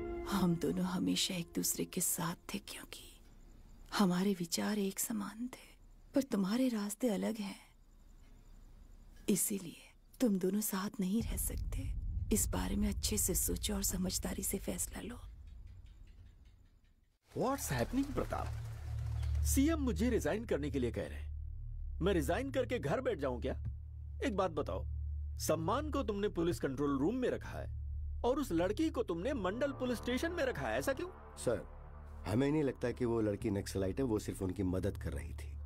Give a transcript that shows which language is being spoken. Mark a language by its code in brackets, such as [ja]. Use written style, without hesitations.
[hi] हम दोनों हमेशा एक दूसरे के साथ थे, क्योंकि हमारे विचार एक समान थे, पर तुम्हारे रास्ते अलग हैं। इसीलिए तुम दोनों साथ नहीं रह सकते। इस बारे में अच्छे से सोचो और समझदारी से फैसला लो। [en] What's happening, Pratap? [hi] सीएम मुझे रिजाइन करने के लिए कह रहे हैं। मैं रिजाइन करके घर बैठ जाऊं क्या? एक बात बताओ, सम्मान को तुमने पुलिस कंट्रोल रूम में रखा है और उस लड़की को तुमने मंडल पुलिस स्टेशन में रखा है, ऐसा क्यों? सर हमें नहीं लगता कि वो लड़की नक्सलाइट है, वो सिर्फ उनकी मदद कर रही थी।